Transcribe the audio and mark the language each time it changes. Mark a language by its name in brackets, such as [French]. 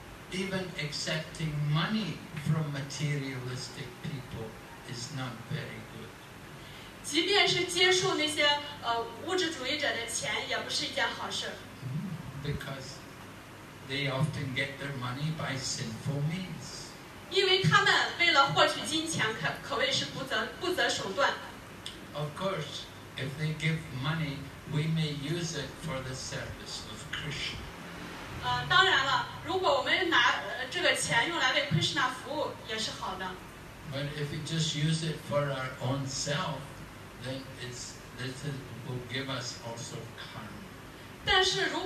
[English] even accepting money from materialistic people is not very good. [Chinese] 即便是接受那些物质主义者的钱，也不是一件好事。 [English] Because they often get their money by sinful means. [Chinese] 因为他们为了获取金钱，可谓是不择手段。 [English] Of course, if they give money, we may use it for the service of Krishna. [Chinese] 当然了，如果我们拿这个钱用来为 Krishna 服务，也是好的。 [English] But if we just use it for our own self, then this will give us also karma.